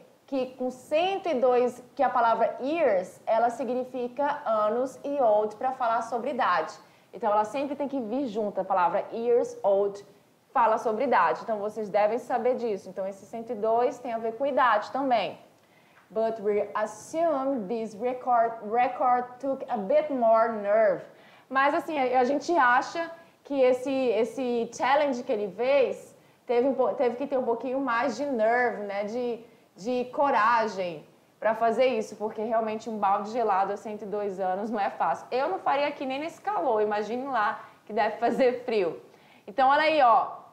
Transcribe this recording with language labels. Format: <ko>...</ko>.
<pt>Que com 102, que a palavra years, ela significa anos e old para falar sobre idade. Então ela sempre tem que vir junto, a palavra years old fala sobre idade. Então vocês devem saber disso. Então esse 102 tem a ver com idade também.</pt> <en>But we assume this record took a bit more nerve.</en> <pt>Mas assim, a gente acha que esse challenge que ele fez teve que ter um pouquinho mais de nerve, né? De coragem para fazer isso, porque realmente um balde gelado a 102 anos não é fácil. Eu não faria aqui nem nesse calor, imagine lá que deve fazer frio. Então olha aí, ó.</pt>